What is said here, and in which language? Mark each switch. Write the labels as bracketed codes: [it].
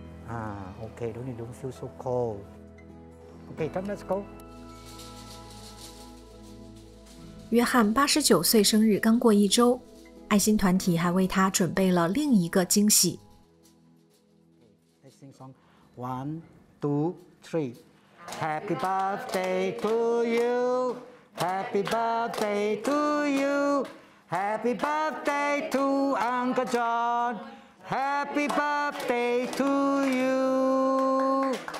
[en] Okay, don't feel so cold. Okay, come, let's go. [zh] 约翰89岁生日刚过一周，爱心团体还为他准备了另一个惊喜。 [en] 1, 2, 3 Happy birthday to you, Happy birthday to you, Happy birthday to Uncle John, Happy birthday to you.